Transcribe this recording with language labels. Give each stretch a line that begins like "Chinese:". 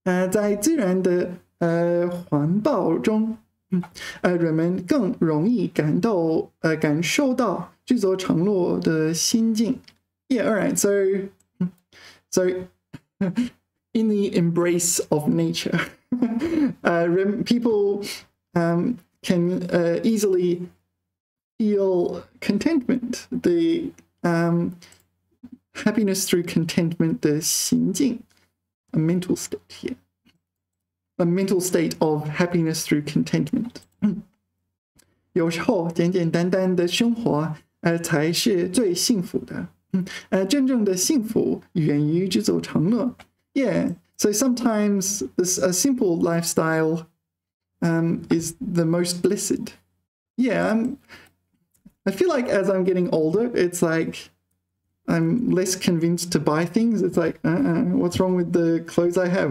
Chinese: 在自然的环抱中，人们更容易感到感受到知足常乐的心境。
English: Yeah, alright, so in the embrace of nature, people can easily feel contentment, the happiness through contentment 的心境， a mental state here. A mental state of happiness through contentment.
Chinese: 有时候简简单单的生活才是最幸福的。真正的幸福源于知足常乐。
English: Yeah, so sometimes a simple lifestyle is the most blessed. Yeah, I feel like as I'm getting older, it's like I'm less convinced to buy things. It's like, what's wrong with the clothes I have?